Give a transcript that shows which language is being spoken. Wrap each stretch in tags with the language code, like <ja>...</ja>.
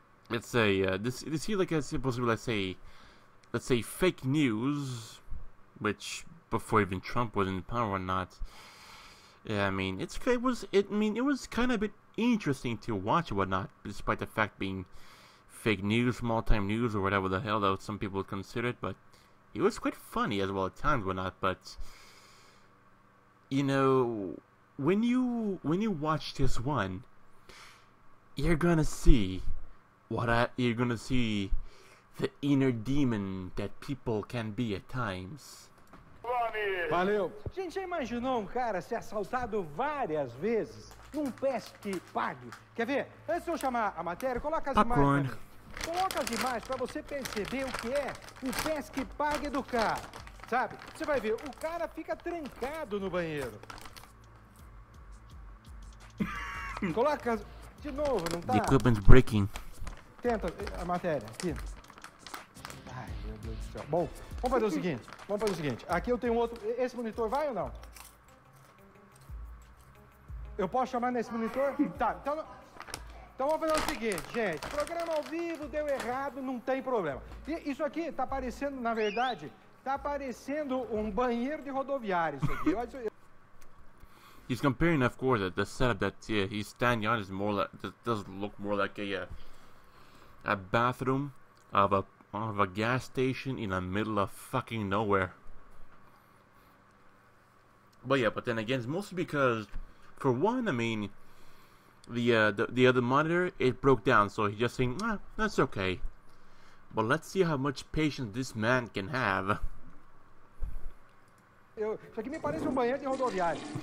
<en>Let's say, this here, like, I suppose, let's say fake news, which, before even Trump was in power or not, yeah, I mean, it was kind of a bit interesting to watch or whatnot, despite the fact being fake news, small-time news, or whatever the hell that some people would consider it, but it was quite funny as well at times or not, but... You know, when you watch this one, you're gonna see the inner demon that people can be at times.</en> <pt>Valeu. Gente, já imaginou um cara ser assaltado várias vezes num pesque pague? Quer ver? Antes de eu chamar a matéria, coloca as imagens.</pt> <en>Popcorn.</en> <pt>Coloca as imagens para você perceber o que é o pesque pague do cara. Sabe? Você vai ver, o cara fica trancado no banheiro. Coloca de novo, não tá?</pt> <en>The equipment's breaking.</en> <pt>Tenta a matéria, aqui. Ai, meu Deus do céu. Bom, vamos fazer o seguinte. Aqui eu tenho outro, esse monitor vai ou não? Eu posso chamar nesse monitor? Tá, então... Então vamos fazer o seguinte, gente. Programa ao vivo, deu errado, não tem problema. E isso aqui tá parecendo, na verdade... Tá parecendo um banheiro de rodoviária isso aqui.</pt> <en>He's comparing, of course, that the setup that he's standing on is more like, does look more like a bathroom of a gas station in the middle of fucking nowhere. But yeah, but then again, it's mostly because, for one, I mean, the other monitor, it broke down, so he's just saying, ah, that's okay. But let's see how much patience this man can have.</en> <pt>Isso aqui me parece um banheiro de rodoviária.</pt>